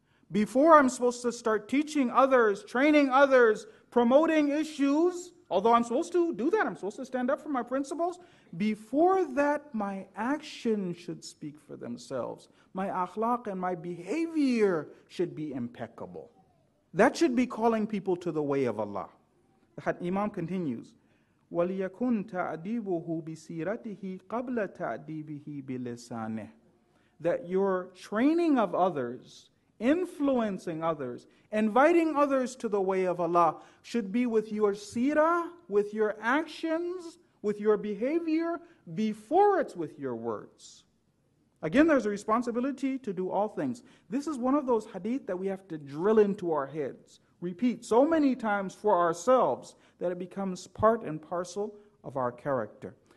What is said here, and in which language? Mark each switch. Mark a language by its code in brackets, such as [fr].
[en] Before I'm supposed to start teaching others, training others, promoting issues, although I'm supposed to do that, I'm supposed to stand up for my principles, before that, my action should speak for themselves. My akhlaq and my behavior should be impeccable. That should be calling people to the way of Allah. The Imam continues, [ar] وَلْيَكُنْ تَعْدِيبُهُ بِسِيرَتِهِ قَبْلَ تَعْدِيبِهِ بِلِسَانِهِ. [en] That your training of others, influencing others, inviting others to the way of Allah should be with your seerah, with your actions, with your behavior, before it's with your words. Again, there's a responsibility to do all things. This is one of those hadith that we have to drill into our heads, repeat so many times for ourselves that it becomes part and parcel of our character.